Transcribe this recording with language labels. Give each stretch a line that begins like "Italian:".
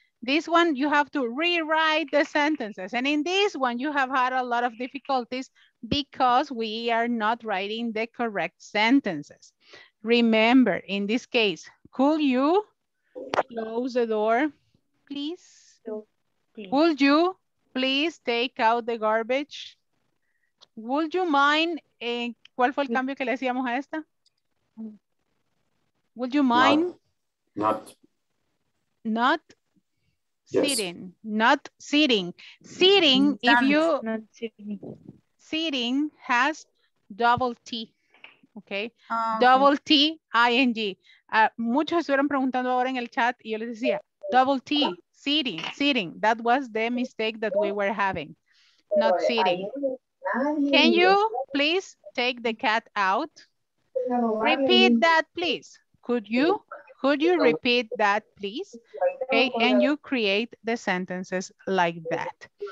English: This one, you have to rewrite the sentences. And in this one, you have had a lot of difficulties because we are not writing the correct sentences. Remember, in this case, could you close the door, please? Would you please take out the garbage? Would you mind
Spanish: ¿Cuál fue el cambio que le hacíamos a esta?
English: Would you mind? Not sitting. Yes. Not sitting. Sitting, stand. If you... Not sitting. Sitting has double T. Okay. Double T, I-N-G.
Spanish: Muchos estuvieron preguntando ahora en el chat y yo les decía,
English: double T, sitting, sitting. That was the mistake that we were having. Not sitting. Can you please take the cat out? Repeat that, please. Could you repeat that, please? Okay, and you create the sentences like that.